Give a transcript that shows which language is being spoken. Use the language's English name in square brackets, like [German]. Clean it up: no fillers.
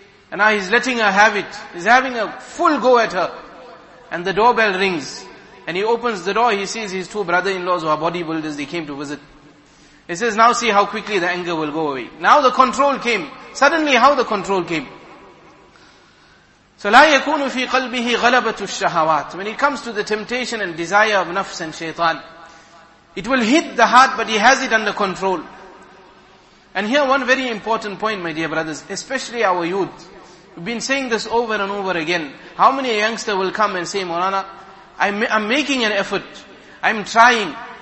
[English] And now he's letting her have it. He's having a full go at her. And the doorbell rings. And he opens the door, he sees his two brother-in-laws who are bodybuilders, they came to visit. He says, now see how quickly the anger will go away. Now the control came. Suddenly how the control came. [Arabic] So, لا يكون في قلبه غلبة الشهوات. [English] When it comes to the temptation and desire of nafs and shaitan, it will hit the heart, but he has it under control. And here one very important point, my dear brothers, especially our youth. We've been saying this over and over again. How many youngsters will come and say, Maulana, I'm making an effort. I'm trying.